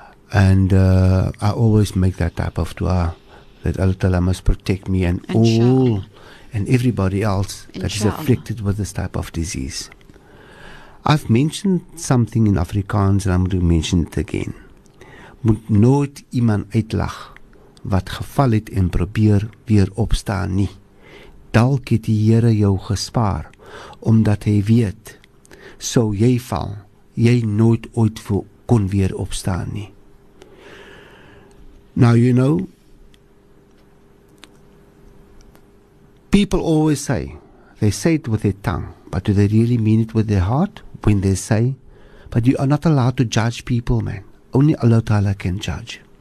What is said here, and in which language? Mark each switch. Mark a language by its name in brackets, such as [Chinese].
[English] And I always make that type of dua, that Allah Ta'ala must protect me and all and everybody else that is afflicted with this type of disease. I've mentioned something in Afrikaans and I'm going to mention it again. [Afrikaans] Moet nooit iemand uitlag wat geval het en probeer weer opstaan nie. Dalk het die Here jou gespaar, omdat hy weet, sou jy val, jy nooit ooit kon weer opstaan nie. [English] Now you know, people always say, they say it with their tongue, but do they really mean it with their heart? When they say, but you are not allowed to judge people, man. Only Allah Ta'ala can judge.